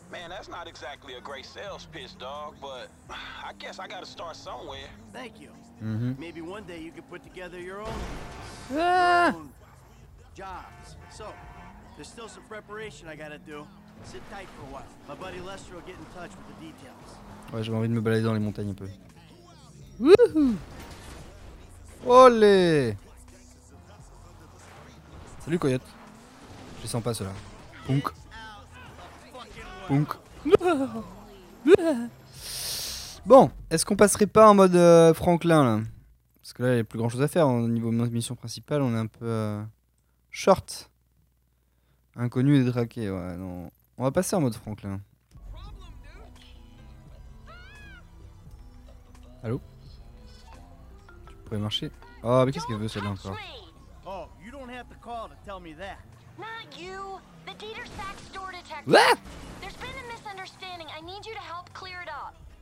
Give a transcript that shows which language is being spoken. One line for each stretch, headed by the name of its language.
English: Man, that's not exactly a great sales pitch, dog, but I guess I gotta start somewhere. Thank you. Mm-hmm. Maybe one day you can put together your own, jobs. So, there's still some preparation I gotta do. Sit tight for a while. My buddy Lester will get in touch with the details.
French: Ouais, j'avais envie de me balader dans les montagnes un peu. Wouhou! Olé! Salut, Coyote. Je les sens pas, ceux-là. Punk. Punk. Bon, est-ce qu'on passerait pas en mode Franklin, là? Parce que là, il y a plus grand-chose à faire. Au niveau de notre mission principale, on est un peu... short. Inconnu et détraqué, ouais. Non. On va passer en mode Franklin. Allô? Tu pourrais marcher? Oh, mais qu'est-ce qu'elle veut celle-là encore?
English: Oh, you don't have to call to tell me that. Not you, the Dieter Sack store detective. What? There's been a misunderstanding. I need you to help clear it up.